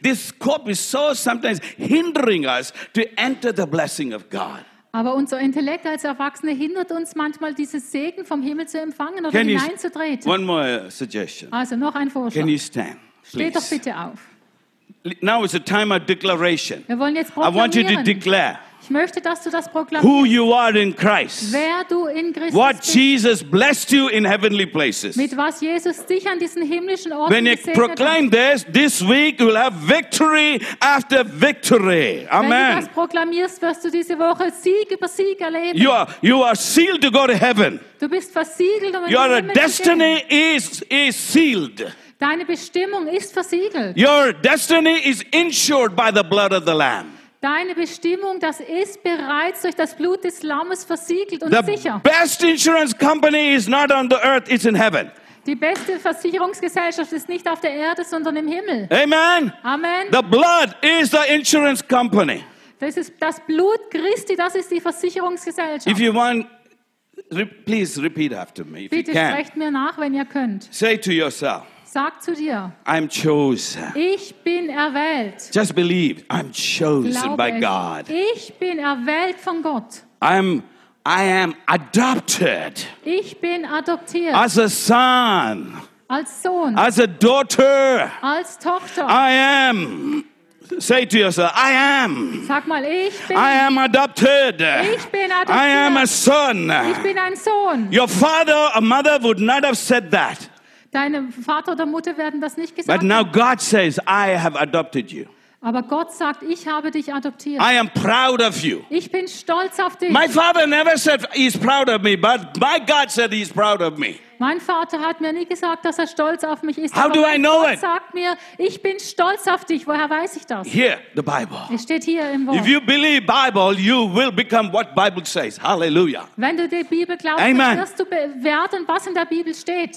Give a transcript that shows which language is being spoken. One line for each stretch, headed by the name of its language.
English: This scope is so sometimes hindering us to enter the blessing of God.
German: Aber unser Intellekt als Erwachsene hindert uns manchmal, dieses Segen vom Himmel zu empfangen oder hineinzutreten.
English: One more suggestion.
German: Also noch ein Vorschlag.
English: Can you stand, please?
German: Steht doch bitte auf.
English: Now is the time of declaration.
German: Wir wollen jetzt proklamieren.
English: I want you to declare.
German: Ich möchte, dass du das proklamierst.
English: Who you are in Christ.
German: Wer du in Christus
English: what
German: bist.
English: What Jesus blessed you in heavenly places.
German: Mit was Jesus dich an diesen himmlischen Orten gesegnet hat.
English: When you proclaim this, this week you will have victory after victory. Amen.
German: Wenn du das proklamierst, wirst du diese Woche Sieg über Sieg erleben.
English: You are sealed to go to heaven.
German: Du bist versiegelt, um
English: your
German: in den Himmel
English: destiny
German: zu gehen.
English: Is sealed.
German: Deine Bestimmung ist versiegelt.
English: Your destiny is insured by the blood of the Lamb.
German: Deine Bestimmung, das ist bereits durch das Blut des Lammes versiegelt und
English: the
German: sicher.
English: The best insurance company is not on the earth, it's in heaven.
German: Die beste Versicherungsgesellschaft ist nicht auf der Erde, sondern im Himmel. Amen. Amen.
English: The blood is the insurance company.
German: Das ist das Blut Christi, das ist die Versicherungsgesellschaft.
English: If you want, please repeat after me, if
German: bitte
English: you can.
German: Sprecht mir nach, wenn ihr könnt.
English: Say to yourself.
German: Sag zu dir,
English: I'm chosen.
German: Ich bin erwählt.
English: Just believe, I'm chosen
German: glaube
English: by God.
German: Ich bin erwählt von Gott.
English: I am adopted.
German: Ich bin adoptiert.
English: As a son.
German: Als Sohn.
English: As a daughter.
German: Als Tochter.
English: I am. Say to yourself, I am.
German: Sag mal, ich bin.
English: I am adopted.
German: Ich bin adoptiert.
English: I am a son.
German: Ich bin ein Sohn.
English: Your father or mother would not have said that.
German: Deine Vater oder Mutter werden das nicht gesagt.
English: But now God says, I have adopted you.
German: Aber Gott sagt, ich habe dich adoptiert.
English: I am proud of you.
German: Ich bin stolz auf dich.
English: My father never said he's proud of me, but my God said he's proud of me.
German: Mein Vater hat mir nie gesagt, dass er stolz auf mich ist.
English: How do I know
German: it? Sagt mir, ich bin stolz auf dich. Woher weiß ich das?
English: Here, the Bible.
German: Es steht hier im Wort.
English: If you believe Bible, you will become what Bible says. Hallelujah.
German: Wenn du die Bibel glaubst, Amen. Wirst du werden, was in der Bibel steht.